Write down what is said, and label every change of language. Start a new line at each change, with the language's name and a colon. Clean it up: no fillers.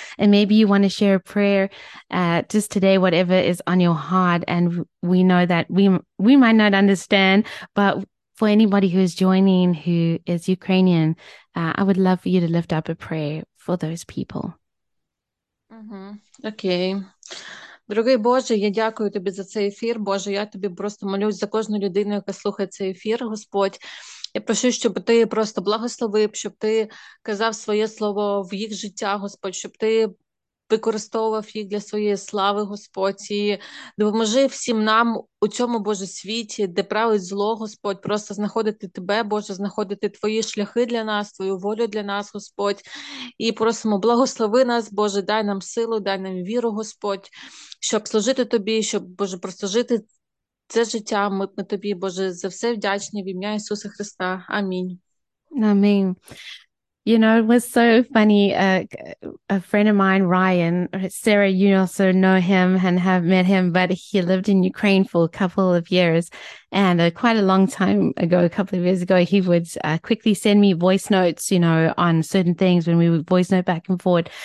English: And maybe you want to share a prayer just today, whatever is on your heart. And we know that we might not understand, but for anybody who is joining who is Ukrainian, I would love for you to lift up a prayer for those people.
Ukrainian: Окей. Дорогий Боже, я дякую тобі за цей ефір. Боже, я тобі просто молюсь за кожну людину, яка слухає цей ефір, Господь. Я прошу, щоб ти просто благословив, щоб ти казав своє слово в їх життя, Господь, щоб ти використовував їх для своєї слави, Господь. І допоможи всім нам у цьому, Боже, світі, де править зло, Господь, просто знаходити тебе, Боже, знаходити твої шляхи для нас, твою волю для нас, Господь. І просимо, благослови нас, Боже, дай нам силу, дай нам віру, Господь, щоб служити тобі, щоб, Боже, просто жити це життя. Ми тобі, Боже, за все вдячні в ім'я Ісуса Христа. Амінь. Амінь.
English: You know, it was so funny. A friend of mine, Ryan, Sarah, you also know him and have met him, but he lived in Ukraine for a couple of years. And quite a long time ago, a couple of years ago, he would quickly send me voice notes, you know, on certain things when we would voice note back and forth.